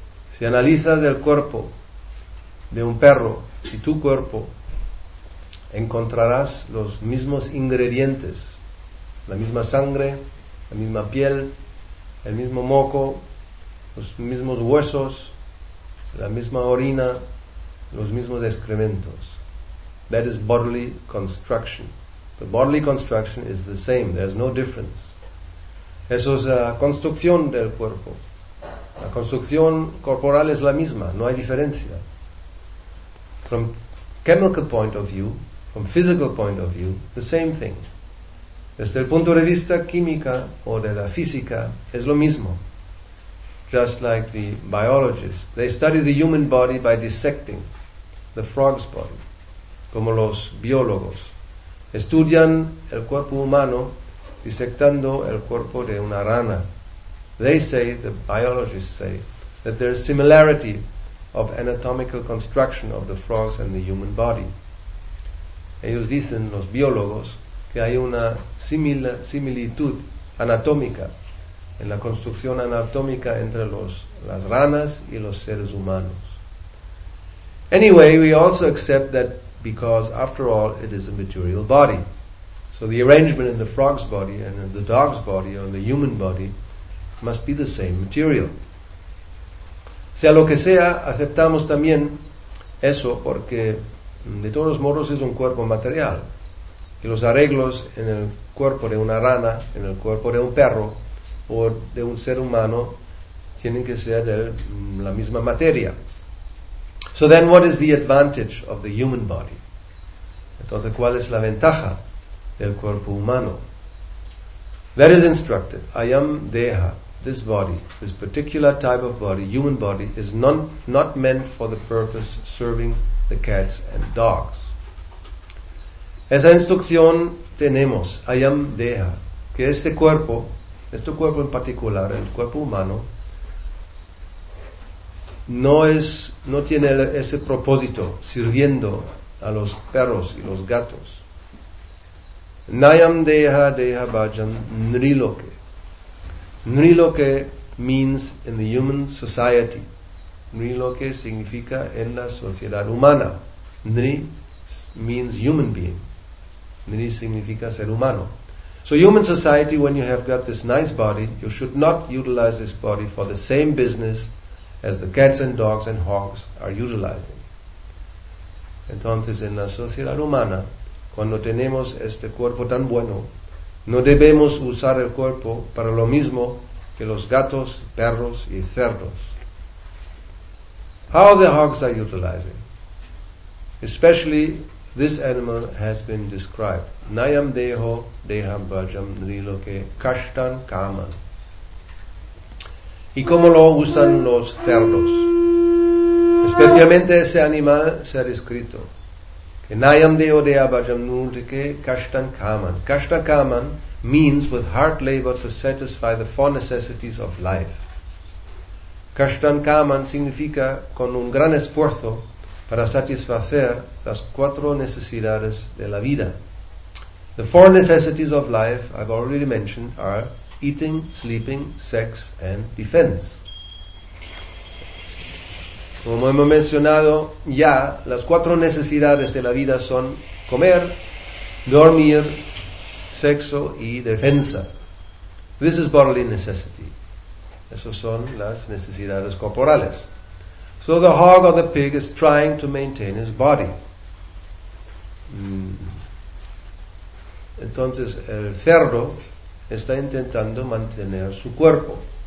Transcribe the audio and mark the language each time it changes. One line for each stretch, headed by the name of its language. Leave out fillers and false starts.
Spanish: Si analizas el cuerpo de un perro y tu cuerpo, encontrarás los mismos ingredientes, la misma sangre, la misma piel, el mismo moco, los mismos huesos, la misma orina, los mismos excrementos.
English: That is bodily construction. The bodily construction is the same, there's no difference.
Spanish: Eso es la construcción del cuerpo. La construcción corporal es la misma, no hay diferencia.
English: From chemical point of view, from physical point of view, the same thing.
Spanish: Desde el punto de vista química o de la física, es lo mismo.
English: Just like the biologists, they study the human body by dissecting the frog's body.
Spanish: Como los biólogos, estudian el cuerpo humano disectando el cuerpo de una rana.
English: They say, the biologists say, that there is similarity of anatomical construction of the frogs and the human body.
Spanish: ellos dicen, los biólogos, que hay una similitud anatómica en la construcción anatómica entre las ranas y los seres humanos.
English: Anyway, we also accept that because, after all, it is a material body. So the arrangement in the frog's body and in the dog's body or in the human body must be the same material.
Spanish: Sea lo que sea, aceptamos también eso porque de todos modos es un cuerpo material. Y los arreglos en el cuerpo de una rana, en el cuerpo de un perro o de un ser humano tienen que ser de la misma materia.
English: So then what is the advantage of the human body?
Spanish: Entonces, ¿cuál es la ventaja del cuerpo humano?
English: That is instructed. I am Deha. This body, this particular type of body, human body, is not meant for the purpose serving the cats and dogs.
Spanish: Esa instrucción tenemos, I am Deha, que este cuerpo en particular, el cuerpo humano, no tiene ese propósito sirviendo a los perros y los gatos.
Sanskrit: Nayam Deha Deha Bhajan Nriloke.
English: Nriloke means in the human society.
Spanish: Nriloke significa en la sociedad humana. Nri means human being. Nri significa ser humano.
English: So human society, when you have got this nice body, you should not utilize this body for the same business as the cats and dogs and hogs are utilizing.
Spanish: Entonces, en la sociedad humana, cuando tenemos este cuerpo tan bueno, no debemos usar el cuerpo para lo mismo que los gatos, perros y cerdos.
English: How the hogs are utilizing? Especially, this animal has been described.
Sanskrit: Nayam deho deham bhajam niloke kashtan kaman.
Spanish: ¿Y cómo lo usan los cerdos? Especialmente ese animal se ha descrito.
Sanskrit: Nayam deho deha bhajam niloke kashtan kaman.
English: Kashtan kaman means with hard labor to satisfy the four necessities of life.
Spanish: Kashtan kaman significa con un gran esfuerzo para satisfacer las cuatro necesidades de la vida.
English: The four necessities of life, I've already mentioned, are eating, sleeping, sex, and defense.
Spanish: Como hemos mencionado ya, las cuatro necesidades de la vida son comer, dormir, sexo y defensa.
English: This is bodily necessity.
Spanish: Esas son las necesidades corporales.
English: So the hog or the pig is trying to maintain his body.
Spanish: Entonces el cerdo está intentando mantener su cuerpo.